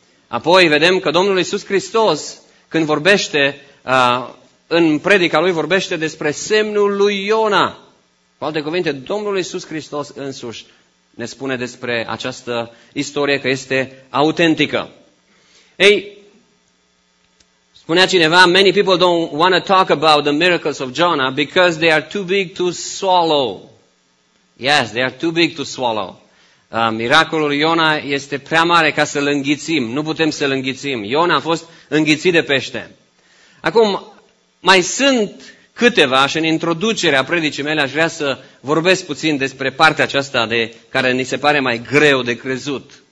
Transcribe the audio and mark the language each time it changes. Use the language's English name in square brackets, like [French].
[Romanian] Apoi vedem că Domnul Iisus Hristos, când vorbește, în predica Lui vorbește despre semnul lui Iona. Cu alte cuvinte, Domnul Iisus Hristos însuși ne spune despre această istorie că este autentică. Ei, spunea cineva, [English] many people don't want to talk about the miracles of Jonah because they are too big to swallow. Yes, they are too big to swallow. [Romanian] Miracolul Iona este prea mare ca să-l înghițim. Nu putem să-l înghițim. Iona a fost înghițit de pește. Acum, mai sunt câteva și în introducerea predicii mele aș vrea să vorbesc puțin despre partea aceasta de care ni se pare mai greu de crezut.